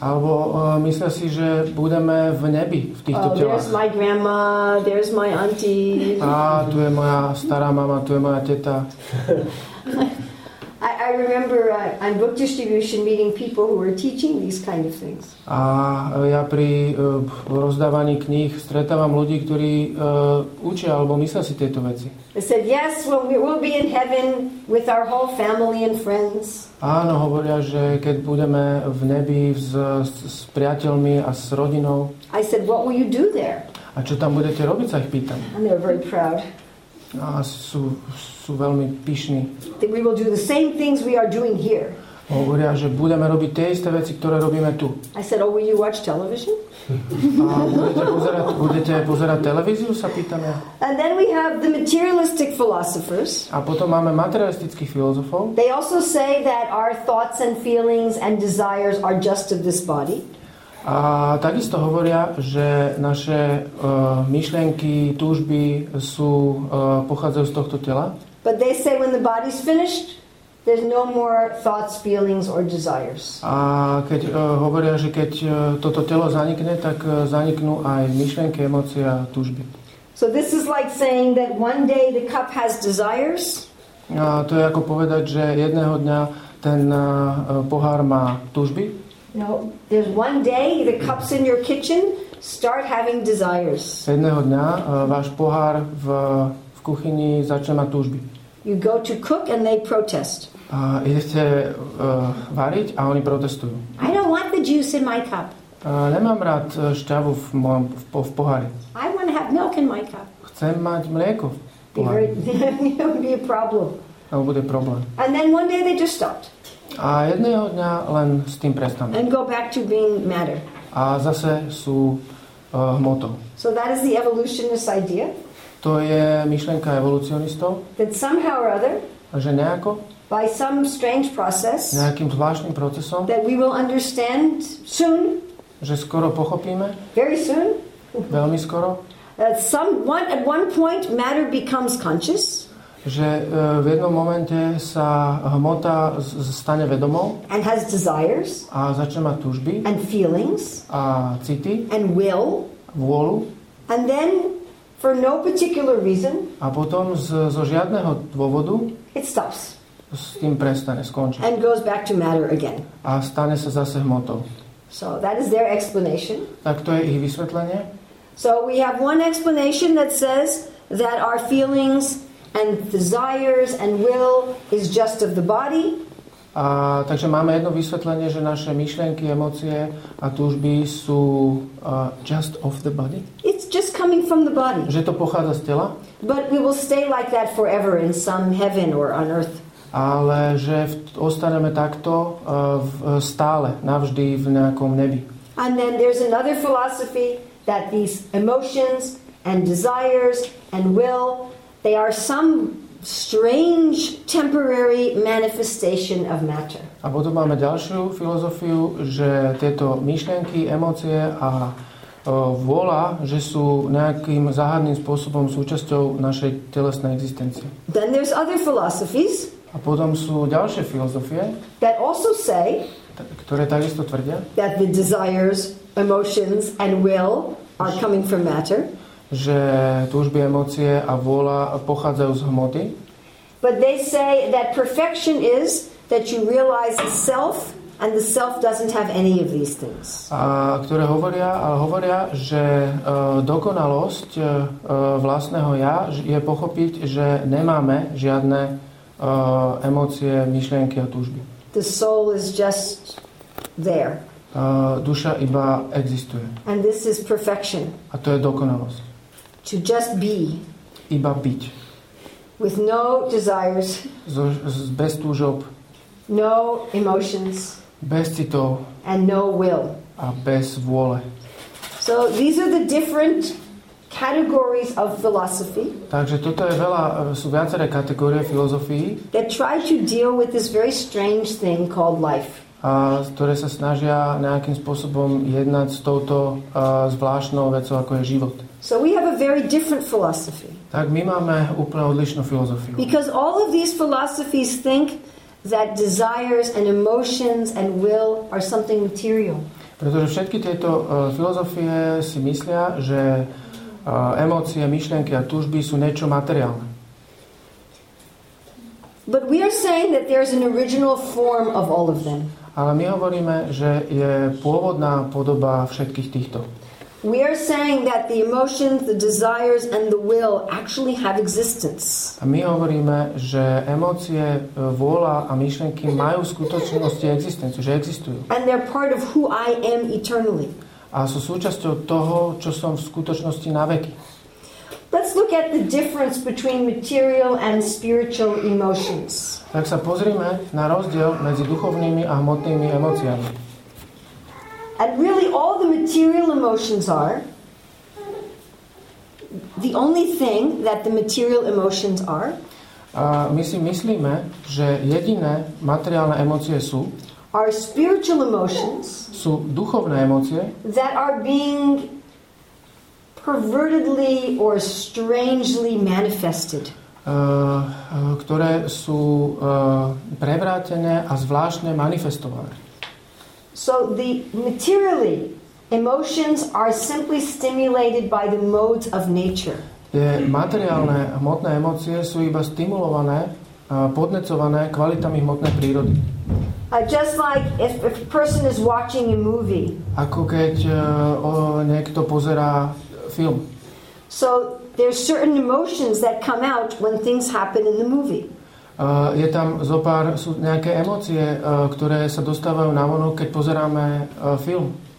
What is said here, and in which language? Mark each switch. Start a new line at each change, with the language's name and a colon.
Slovak: Alebo myslia si, že budeme v nebi v týchto telách.
English: There's my grandma, there's my auntie.
Slovak: A tu je moja stará mama, tu je moja teta.
English: I remember on book distribution meeting people who were teaching these kind of things.
Slovak: A ja pri rozdávaní kníh stretávam ľudí, ktorí učia alebo myslia si tieto veci.
English: They said, yes, well, we will be in heaven with our whole family and friends.
Slovak: Áno, hovoria, že keď budeme v nebi s priateľmi a s rodinou.
English: I said, what will you do there?
Slovak: A čo tam budete robiť, sa ich pýtam.
English: And they were very proud.
Slovak: A sú veľmi pyšní.
English: We will do the same things we are doing here.
Slovak: Hovoria, že budeme robiť tie isté veci, ktoré robíme tu.
English: I said, oh, will you watch television?
Slovak: A budete pozerať televíziu, sa pýtam ja.
English: And then we have the materialistic philosophers.
Slovak: A potom máme materialistických filozofov.
English: They also say that our thoughts and feelings and desires are just of this body.
Slovak: A takisto hovoria, že naše myšlienky, túžby sú pochádzajú z tohto tela.
English: But they say when the body's finished, there's no more thoughts, feelings or desires.
Slovak: A keď hovoria, že keď toto telo zanikne, tak zaniknú aj myšlienky, emócie a túžby.
English: So this is like saying that one day the cup has desires.
Slovak: A to je ako povedať, že jedného dňa ten pohár má túžby.
English: No, there's one day the cups in your kitchen start having desires.
Slovak: Jedného dňa váš pohár v kuchyni začne mať túžby.
English: You go to cook and they protest.
Slovak: Idete variť a oni protestujú.
English: I don't want the juice in my cup.
Slovak: Nemám rád šťavu v mojom v pohári.
English: I want to have milk in my cup.
Slovak: Chcem mať mlieko v pohári.
English: It would be a problem.
Slovak: Alebo bude problém.
English: And then one day they just stopped.
Slovak: A jedného dňa len s tým prestanú.
English: And go back to being matter.
Slovak: A zase sú hmotou.
English: So that is the evolutionist idea.
Slovak: To je myšlienka evolucionistov.
English: That somehow or other.
Slovak: Že nejako.
English: By some strange process.
Slovak: Nejakým zvláštnym procesom.
English: That we will understand soon.
Slovak: Že skoro pochopíme.
English: Very soon.
Slovak: Veľmi skoro.
English: At one point matter becomes conscious.
Slovak: Že v jednom momente sa hmota stane vedomou.
English: And has desires.
Slovak: A začne mať túžby.
English: And feelings.
Slovak: A city.
English: And will.
Slovak: Vôľu.
English: And then for no particular reason.
Slovak: A potom zo žiadneho dôvodu.
English: It stops.
Slovak: S tým prestane, skončí.
English: And goes back to matter again.
Slovak: A stane sa zase hmotou.
English: So that is their explanation.
Slovak: Tak to je ich vysvetlenie.
English: So we have one explanation that says that our feelings and desires and will is just of the body.
Slovak: A takže máme jedno vysvetlenie, že naše myšlienky, emócie a túžby sú
English: just of the body. It's just coming from the body.
Slovak: Že to pochádza z tela.
English: But we will stay like that forever in some heaven or on earth.
Slovak: Ale že ostaneme takto stále, navždy v nejakom nebi.
English: And then there's another philosophy that these emotions and desires and will, they are some strange temporary manifestation of matter.
Slovak: A potom máme ďalšiu filozofiu, že tieto myšlienky, emócie a vôľa, že sú nejakým záhadným spôsobom súčasťou našej telesnej existencie.
English: Then there's other philosophies.
Slovak: A potom sú ďalšie filozofie,
English: that also say,
Slovak: ktoré takisto tvrdia,
English: that the desires, emotions and will are coming from matter.
Slovak: Že túžby, emócie a vôľa pochádzajú z hmoty.
English: But they say that perfection is that you realize the self and the self doesn't have any of these things.
Slovak: A ktoré hovoria, že dokonalosť vlastného ja je pochopiť, že nemáme žiadne emócie, myšlienky a túžby.
English: The soul is just there.
Slovak: Duša iba existuje.
English: And this is perfection.
Slovak: A to je dokonalosť.
English: To just be.
Slovak: Iba byť.
English: With no desires.
Slovak: Bez túžob.
English: No emotions.
Slovak: Bez citov.
English: And no will.
Slovak: A bez vôle.
English: So these are the different categories of philosophy.
Slovak: Takže toto je veľa, sú viaceré kategórie filozofií.
English: That try to deal with this very strange thing called life.
Slovak: A ktoré sa snažia nejakým spôsobom jednať s touto zvláštnou vecou, ako je život.
English: So we have a very different philosophy.
Slovak: Tak my máme úplne odlišnú filozofiu.
English: Because all of these philosophies think that desires and emotions and will are something material.
Slovak: Pretože všetky tieto filozofie si myslia, že emócie, myšlienky a túžby sú niečo materiálne.
English: But we are saying that there is an original form of all of them.
Slovak: Ale my hovoríme, že je pôvodná podoba všetkých týchto.
English: We are saying that the emotions, the desires and the will actually have existence.
Slovak: A my hovoríme, že emócie, vôľa a myšlienky majú skutočnosť existenciu, že existujú.
English: And they're part of who I am eternally.
Slovak: A sú súčasťou toho, čo som v skutočnosti na veky.
English: Let's look at the difference between material and spiritual emotions.
Slovak: Tak sa pozrime na rozdiel medzi duchovnými a hmotnými emóciami.
English: And really all the material emotions are the only thing that the material emotions are.
Slovak: A my si myslíme, že jediné materiálne emócie sú
English: are spiritual emotions.
Slovak: Sú duchovné emócie
English: that are being pervertedly or strangely manifested.
Slovak: Ktoré sú prevrátené a zvláštne manifestované.
English: So the materially emotions are simply stimulated by the modes of nature.
Slovak: Tie materiálne hmotné emócie sú iba stimulované, podnecované kvalitami hmotnej prírody.
English: Just like if a person is watching a movie.
Slovak: Ako keď niekto pozerá film.
English: So there's certain emotions that come out when things happen in the movie.
Slovak: Je tam zopár, sú nejaké emócie, ktoré sa dostávajú na vonok, keď pozeráme film.